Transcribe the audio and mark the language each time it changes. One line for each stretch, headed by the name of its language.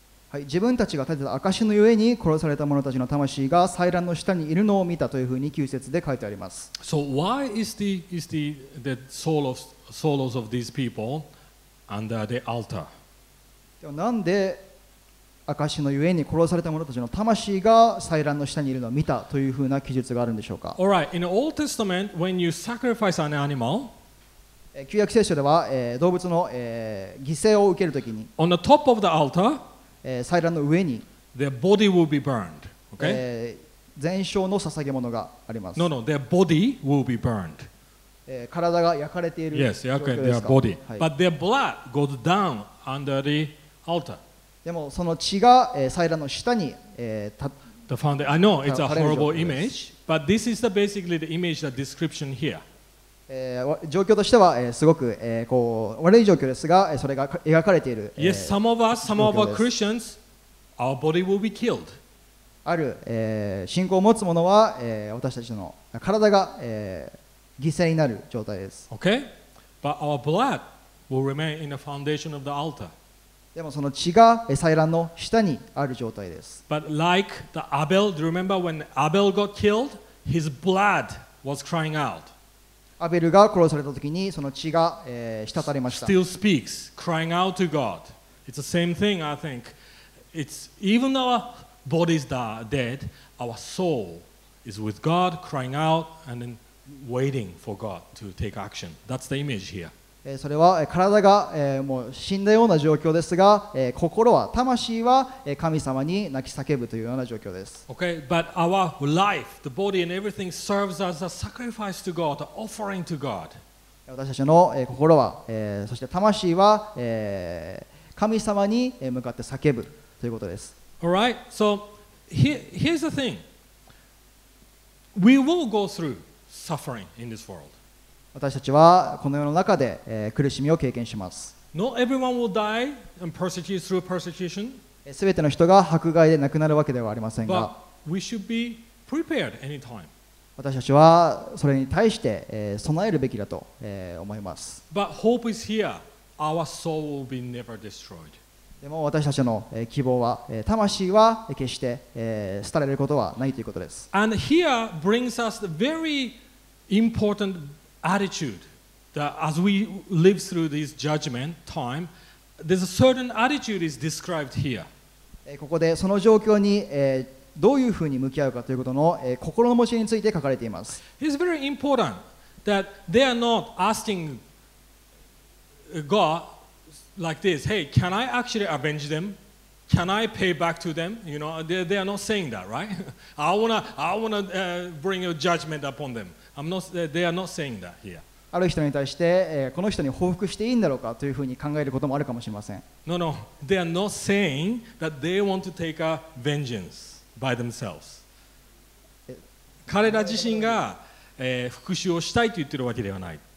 Japanese: はい、自分たちが立てた証のゆえに殺された者たちの魂が祭壇の下にいるのを見たというふうに9節で書いてあります。
English: So why is the souls of these people under the altar?
Japanese: ではなんで証のゆえに殺された者たちの魂が祭壇の下にいるのを見たというふうな記述があるんでしょうか?
English: All right. In the Old Testament, when you sacrifice an animal,
Japanese: 旧約聖書では、動物の、犠牲を受けるときに
English: On the top of the altar,
Japanese: 祭壇の上に
English: their body will be burned. Okay?
Japanese: 全焼の捧げ物があります。
English: No, no, their body will be burned.
Japanese: 体が焼かれている状況ですか?
English: Yes, their body. But their blood goes down under the altar.
Japanese: でもその血が、祭壇の下に、
English: The foundation. I know it's a horrible image, but this is basically the image, the description here.
Japanese: 状況としては、すごく、こう悪い状況ですが、それが描かれている。
English: Yes, some of us, some of our Christians, our body will be killed.
Japanese: ある、信仰を持つ者は、私たちの体が、犠牲になる状態です。
English: Okay, but our blood will remain in the foundation of the altar.
Japanese: でもその血が祭壇の下にある状態です。
English: But like the Abel, do you remember when Abel got killed? His blood was crying out.
Japanese: アベルが殺された時にその血が、滴りました。
English: Still speaks, crying out to God. It's the same thing, I think. It's even our bodies that are dead, our soul is with God, crying out and then waiting for God to take action. That's the image here.
Japanese: それは体がもう死んだような状況ですが、心は、魂は神様に泣き叫ぶというような状況です。
English: Okay, but our life, the body and everything serves as a sacrifice to God, an offering to God.
Japanese: 私たちの心は、そして魂は、神様に向かって叫ぶということです。
English: Alright, so here's the thing. We will go through suffering in this world.
Japanese: 私たちはこの世の中で、苦しみを経験します。
English: Not everyone will die and persecute through persecution.
Japanese: 全ての人が迫害で亡くなるわけではありませんが、
English: But we should be prepared anytime.
Japanese: 私たちはそれに対して、備えるべきだと、思います。
English: But hope is here. Our soul will be never destroyed.
Japanese: でも私たちの、希望は、魂は決して、廃れることはないということです。
English: And here brings us the very importantAttitude that as we live through this judgment time, there's a certain attitude is described here.
Japanese: ここでその状況に、どういうふうに向き合うかということの、心の持ちについて書かれています。
English: It's very important that they are not asking God like this, hey, can I actually avenge them? Can I pay back to them? You know, they are not saying that, right? I wanna bring a judgment upon them. They are not saying that here.
Japanese: ある人に対して、この人に報復していいんだろうかというふうに考えることもあるかもしれません。
English: No, no. They are not saying that they want to take a vengeance by themselves.
Japanese: 彼ら自身が、復讐をしたいと言っているわけではない。